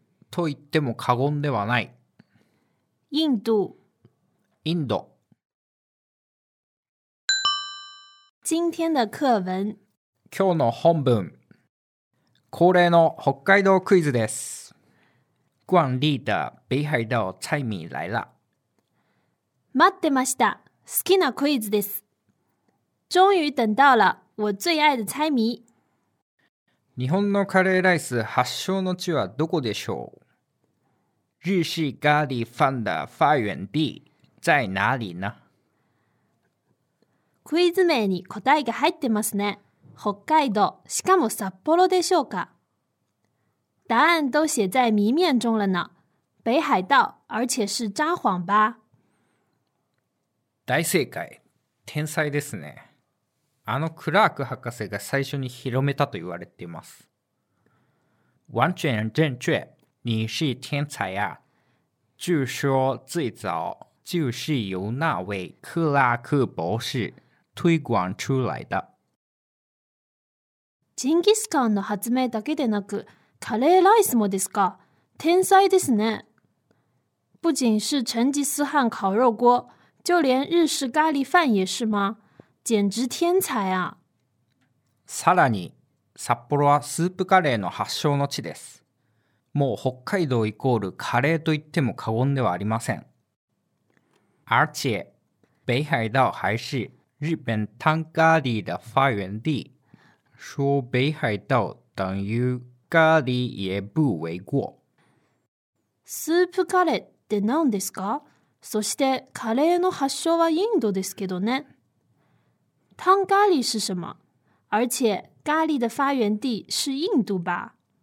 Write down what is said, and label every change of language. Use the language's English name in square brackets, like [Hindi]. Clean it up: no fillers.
[Japanese] と言っても過言ではない。 [Chinese] 印度、 [Japanese] インド。 [Chinese] 今天的课文、 [Japanese] 今日の本文、恒例の北海道クイズです。 [Chinese] 惯例的北海道菜米来了。 [Japanese] 待ってました、好きなクイズです。 [Chinese] 终于等到了我最爱的菜米。 [Japanese] 日本のカレーライス発祥の地はどこでしょう？ [Chinese] 日式咖喱饭的发源地在哪里呢？ [Japanese] クイズ名に答えが入ってますね。北海道、しかも札幌でしょうか？ [Chinese] 答案都写在谜面中了呢。北海道、而且是札幌吧？ [Japanese] 大正解。天才ですね。あのクラーク博士が最初に広めたと言われています。 [Chinese] 完全正确。你是天才呀。据说最早就是由那位克拉克博士推广出来的。 [Japanese] ジンギスカンの発明だけでなく、カレーライスもですか。天才ですね。 [Chinese] 不仅是成吉思汗烤肉锅，就连日式咖喱饭也是吗？简直天才啊！ [Japanese] さらに、札幌はスープカレーの発祥の地です。もう北海道イコールカレーと言っても過言ではありません。 [Chinese] 而且、北海道还是日本汤咖喱的发源地。说北海道等于咖喱也不为过。 [Japanese] スープカレーって何ですか？そしてカレーの発祥はインドですけどね。 [Chinese] 汤咖喱是什么？而且咖喱的发源地是印度吧？